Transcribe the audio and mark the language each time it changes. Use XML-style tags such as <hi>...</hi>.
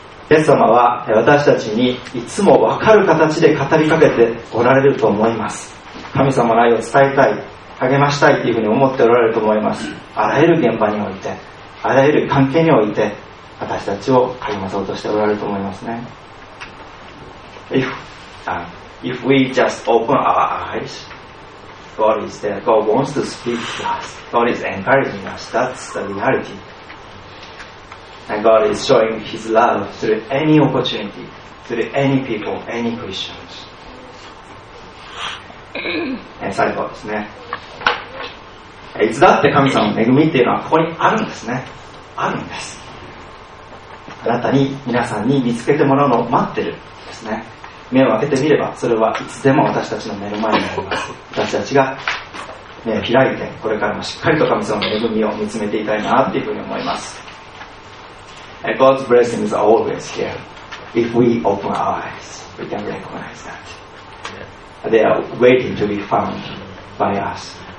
<ja>イエス様は私たちにいつも分かる形で語りかけておられると思います。神様の愛を伝えたい、励ましたいというふうに思っておられると思います。あらゆる現場において、あらゆる関係において私たちを励まそうとしておられると思いますね。</ja> <en>If we just open our eyes, God is there. God wants to speak to us. God is encouraging us. That's the realityAnd God is showing His love through any opportunity, through any people, any Christians.</en> <ja>And 最後ですね。いつだって神様の恵みっていうのはここにあるんですね。あるんです。あなたに皆さんに見つけてもらうのを待ってるですね。目を開けてみればそれはいつでも私たちの目の前にあります。私たちが目を開いてこれからもしっかりと神様の恵みを見つめていたいなっていうふうに思います。</ja> <en>God's blessings are always here. If we open our eyes, we can recognize that. They are waiting to be found by us.</en>